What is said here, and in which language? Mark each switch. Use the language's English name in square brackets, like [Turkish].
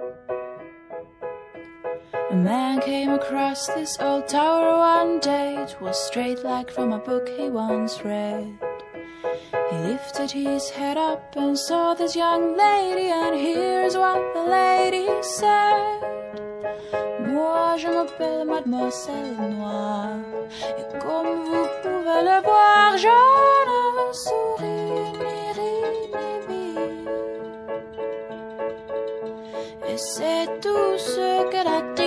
[English] A man came across this old tower one day. It was straight like from a book he once read. He lifted his head up and saw this young lady, and here's what the lady said. [French] Moi je m'appelle Mademoiselle Noire, et comme vous pouvez le voir, je ne souris ni ris ni bis. Et c'est tout ce que la